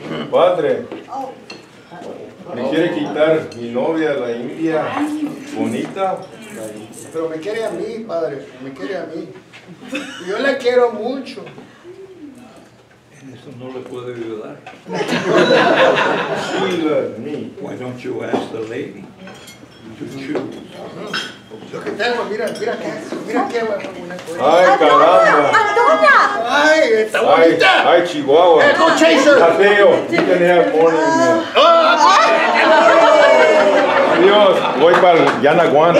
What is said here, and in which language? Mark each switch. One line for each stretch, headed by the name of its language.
Spanish: Padre. Me quiere quitar mi novia, la India. Bonita. Pero me quiere a mí, padre, me quiere a mí. Yo la quiero mucho. En eso no le puedo ayudar.
English: She loves me. Why don't you ask the lady to choose? Uh-huh.
Spanish: Lo que tengo, mira qué es. Ay, caramba. Antonia. Ay, está bonita. Ay, Chihuahua.
English: Go chase her. Mateo, you can have more than me.
Spanish: Adiós, voy para el Yanaguana.